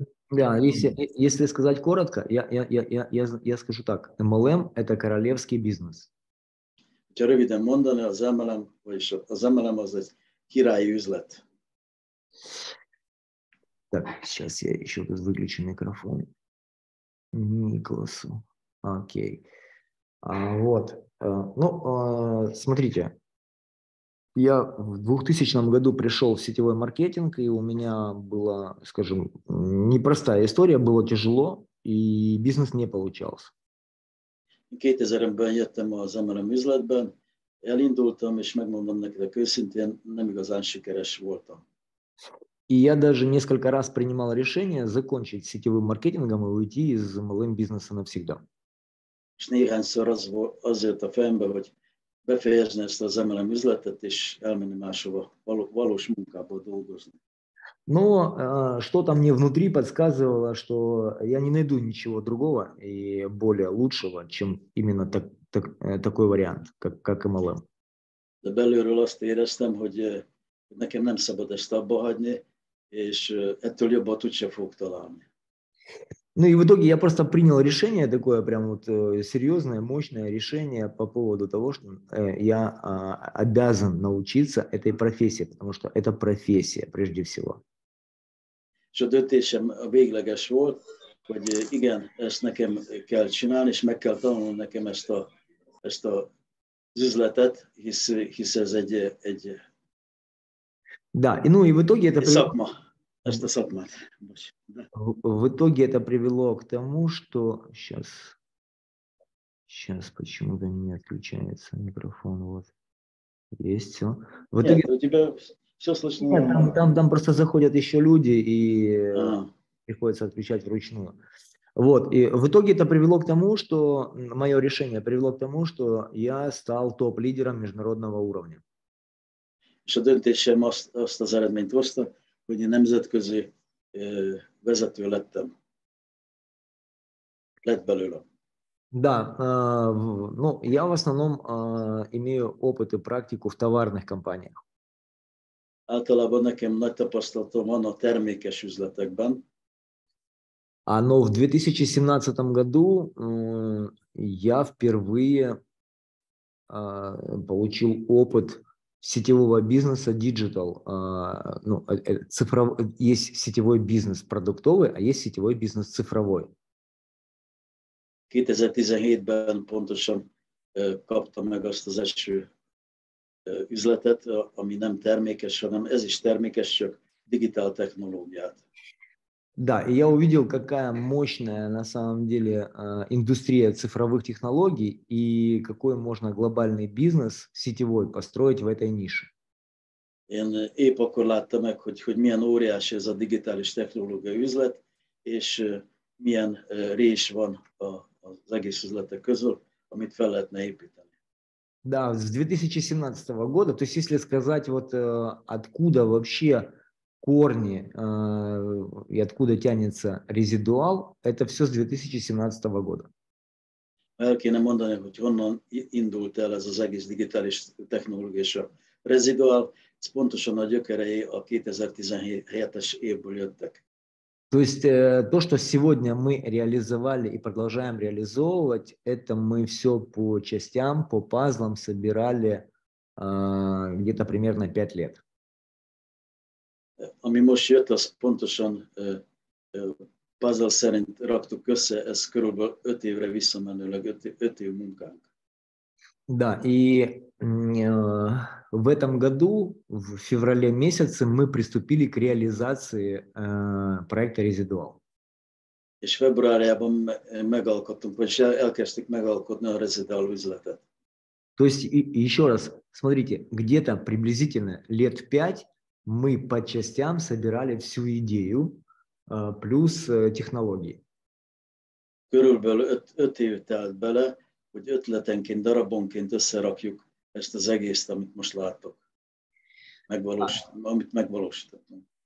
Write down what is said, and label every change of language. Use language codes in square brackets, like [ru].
[ru] Да, если сказать коротко, я скажу так, MLM – это королевский бизнес. [hu] Ha röviden mondani, az MLM, vagyis az MLM az egy királyi üzlet. [ru] Так, сейчас я еще раз выключу микрофон. Николасу. Окей. Вот. Ну, смотрите. Я в 2000 году пришел в сетевой маркетинг, и у меня была, скажем, непростая история, было тяжело, и бизнес не получался. [hu] 2000-ben jöttem az MLM üzletbe, elindultam, és megmondom nektek őszintén, nem igazán sikeres voltam. [ru] И я даже несколько раз принимал решение закончить сетевым маркетингом и уйти из MLM бизнеса навсегда. [hu] És néhányszor az jött a fejembe, hogy befejezni ezt az MLM üzletet, és elmenni máshova valós munkába dolgozni. [ru] Но что-то мне внутри подсказывало, что я не найду ничего другого и более лучшего, чем именно такой вариант, как MLM. [hu] De belülről azt éreztem, hogy nekem nem szabad ezt abba hagyni, és ettől jobbat úgyse fogok találni. [ru] Ну и в итоге я просто принял решение, такое прям вот серьезное, мощное решение по поводу того, что я обязан научиться этой профессии, потому что это профессия прежде всего. [hu] És a döntésem végleges volt, hogy igen, ezt nekem kell csinálni, és meg kell tanulni nekem ezt a üzletet, hisz ez egy [ru] Да, и ну и в итоге это [hu] szakma. Ezt a szakmát. [ru] В итоге это привело к тому, что сейчас почему-то не отключается микрофон, вот. Есть все. В итоге... Нет, у тебя все слышно. Нет, там просто заходят еще люди и приходится отвечать вручную. Вот, и в итоге это привело к тому, что мое решение привело к тому, что я стал топ-лидером международного уровня. Что думаете, чем остался за редмент просто, когда не взяткозы везет вилеттам? Лет балюла. Да, ну, я в основном имею опыт и практику в товарных компаниях. [hu] Általában nekem nagy tapasztalatom van a termékes üzletekben. [ru] А, но в 2017 году я впервые получил опыт сетевого бизнеса digital. Ну, есть сетевой бизнес продуктовый, а есть сетевой бизнес цифровой. [hu] 2017-ben pontosan kaptam meg azt az első üzletet, ami nem termékes, hanem ez is termékes, csak digitál technológiát. [ru] Да, и я увидел, какая мощная на самом деле индустрия цифровых технологий и какой можно глобальный бизнес сетевой построить в этой нише. [hu] Én épp akkor láttam meg, hogy milyen óriási ez a digitális technológiai üzlet, és milyen rés van az egész üzletek közül, amit fel lehetne építeni. [ru] Да, с 2017 года, то есть если сказать вот откуда вообще корни и откуда тянется резидуал, это все с 2017 года. [hu] El kéne mondani, hogy honnan indult el ez az egész digitális technológia és a rezidual, ez pontosan a gyökerei a 2017-es évből jöttek. [ru] То есть то, что сегодня мы реализовали и продолжаем реализовывать, это мы все по частям, по пазлам собирали где-то примерно 5 лет. [hu] Ami most jött, az pontosan пазл szerint raktuk össze, ez körülbelül 5 évre visszamenőleg, 5 év munkánk. [ru] Да, и в этом году, в феврале месяце, мы приступили к реализации проекта «Резидуал». [hu] És februárjában megalkottunk, vagyis elkezdtük megalkotni a rezidál üzletet. [ru] То есть, и еще раз, смотрите, где-то приблизительно лет 5 мы по частям собирали всю идею плюс технологии. [hu] Körülbelül 5 év telt bele, hogy ötletenként, darabonként összerakjuk ezt az egészet, amit most látok. Amit megvalósítottunk.